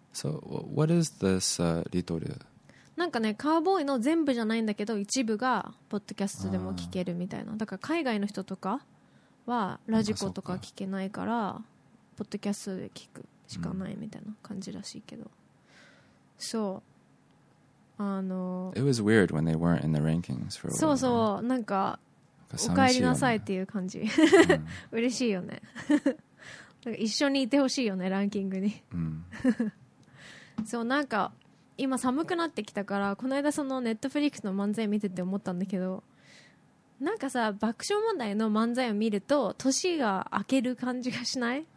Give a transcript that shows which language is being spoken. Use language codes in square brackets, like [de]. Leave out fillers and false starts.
[en] So what is this Little? [ja] なんかねカーボーイの全部じゃないんだけど一部がポッドキャストでも聞けるみたいな。だから海外の人とかはラジコとか聞けないからポッドキャストで聞くしかないみたいな感じらしいけど。そう。 [en] It was weird when they weren't in the rankings for a while. [ja] そうそう、なんかお帰りなさいっていう感じ。嬉しいよね。なんか一緒にいてほしいよねランキングに。そう、なんか今寒くなってきたからこの間そのネットフリックスの漫才見てて思ったんだけど、なんかさ爆笑問題の漫才を見ると年が明ける感じがしない？